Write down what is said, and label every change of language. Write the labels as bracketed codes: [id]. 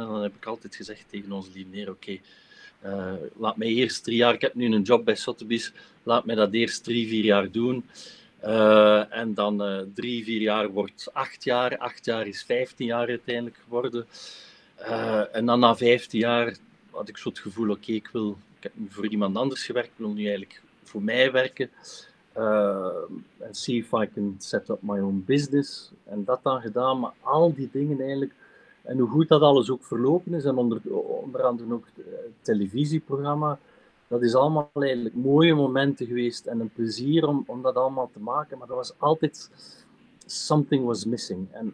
[nl] En dan heb ik altijd gezegd tegen onze lieve neer, oké, laat mij eerst 3 jaar, ik heb nu een job bij Sotheby's, laat mij dat eerst 3, 4 jaar doen. En dan 3, 4 jaar wordt 8 jaar, 8 jaar is 15 jaar uiteindelijk geworden. En dan na 15 jaar had ik zo het gevoel, oké, ik heb voor iemand anders gewerkt, ik wil nu eigenlijk voor mij werken. [en] En see if I can set up my own business. [nl] En dat dan gedaan, maar al die dingen eigenlijk, en hoe goed dat alles ook verlopen is, en onder andere ook het televisieprogramma, dat is allemaal eigenlijk mooie momenten geweest en een plezier om dat allemaal te maken, maar dat was altijd, [en] something was missing.